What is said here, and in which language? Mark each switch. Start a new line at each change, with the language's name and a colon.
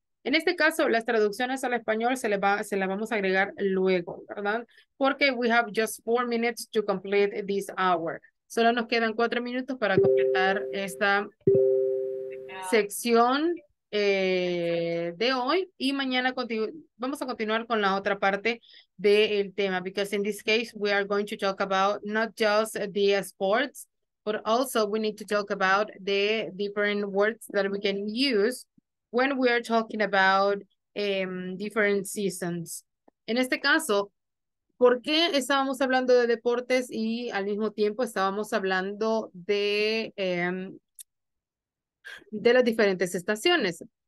Spanish: En este caso, las traducciones al español se las vamos a agregar luego, ¿verdad?
English: Porque we have just 4 minutes to complete this hour.
Spanish: Solo nos quedan 4 minutos para completar esta sección de hoy. Y mañana vamos a continuar con la otra parte del tema.
English: Because in this case, we are going to talk about not just the sports, but also we need to talk about the different words that we can use when we are talking about different seasons.
Spanish: En este caso, ¿por qué estábamos hablando de deportes y al mismo tiempo estábamos hablando de las diferentes estaciones?